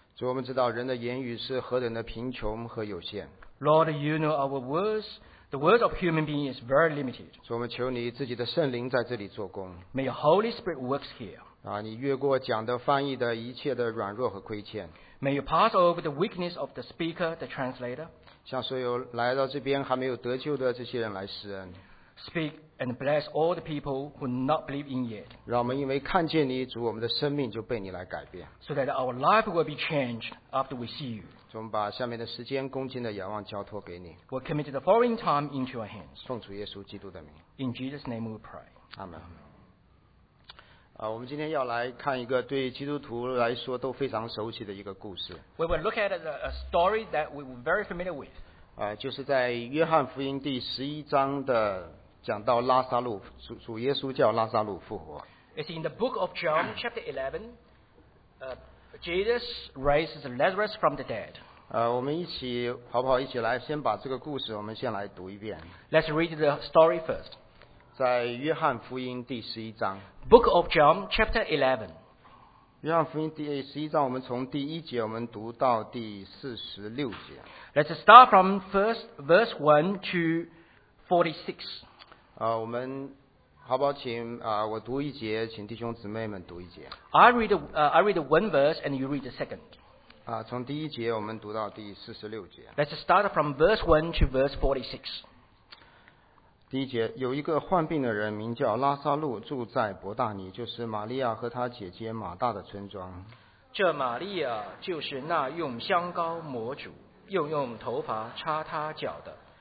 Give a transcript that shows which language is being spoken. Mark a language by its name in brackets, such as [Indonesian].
[Chinese] 主，我们知道人的言语是何等的贫穷和有限。 [English] Lord, you know our words. The words of human being is very limited. [Chinese] 主，我们求你自己的圣灵在这里做工。 [English] May your Holy Spirit works here. [Chinese] 你越过讲的、翻译的一切的软弱和亏欠。 [English] May you pass over the weakness of the speaker, the translator. [Chinese] 向所有来到这边还没有得救的这些人来施恩。 [English] Speak and bless all the people who not believe in yet. [Chinese] 让我们因为看见你，主，我们的生命就被你来改变。 [English] So that our life will be changed after we see you. [Chinese] 主，我们把下面的时间恭敬的仰望交托给你。 [English] We'll commit the following time into your hands. [Chinese] 奉主耶稣基督的名。 [English] In Jesus' name we pray. Amen. [Chinese] 我们今天要来看一个对基督徒来说都非常熟悉的一个故事。 [English] We will look at a story that we were very familiar with. [Chinese] 就是在约翰福音第十一章的。讲到拉撒路，主耶稣叫拉撒路复活。 [English] It's in the book of John, chapter 11. Jesus raises Lazarus from the dead. [Chinese] 我们一起好不好？一起来，先把这个故事，我们先来读一遍。 [English] Let's read the story first. [Chinese] 在约翰福音第十一章。 [English] Book of John, chapter 11. [Chinese] 约翰福音第十一章，我们从第一节我们读到第四十六节。 [English] Let's start from first verse 1 to 46. [Chinese] 我们好不好请我读一节，请弟兄姊妹们读一节。 [English] I read one verse and you read the second. [Chinese] 从第一节我们读到第四十六节。 [English] Let's start from verse 1 to verse 46. [Chinese] 第一节，有一个患病的人名叫拉撒路，住在伯大尼，就是玛利亚和她姐姐马大的村庄。这玛利亚就是那用香膏抹主，又用头发擦她脚的。